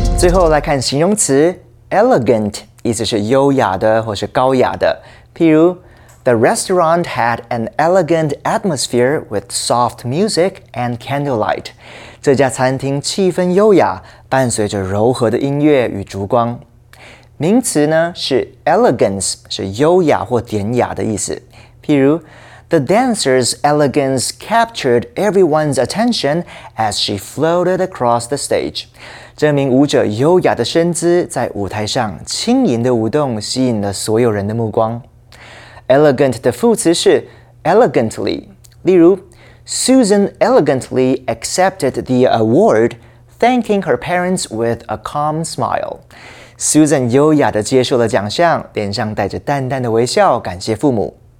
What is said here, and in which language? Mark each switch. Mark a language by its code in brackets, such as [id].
[en] Elegant [zh] 意思是优雅的或是高雅的，譬如 [en] The restaurant had an elegant atmosphere with soft music and candlelight. [zh] 这家餐厅气氛优雅，伴随着柔和的音乐与烛光。名词呢是 elegance， 是优雅或典雅的意思。 [en] 譬如 The dancer's elegance captured everyone's attention as she floated across the stage. [zh] 这名舞者优雅的身姿在舞台上轻盈的舞动吸引了所有人的目光。 [en] Elegant [zh] 的副词是 [en] elegantly， 例如 Susan elegantly accepted the award, thanking her parents with a calm smile. [zh] Susan 优雅地接受了奖项，脸上带着淡淡的微笑，感谢父母。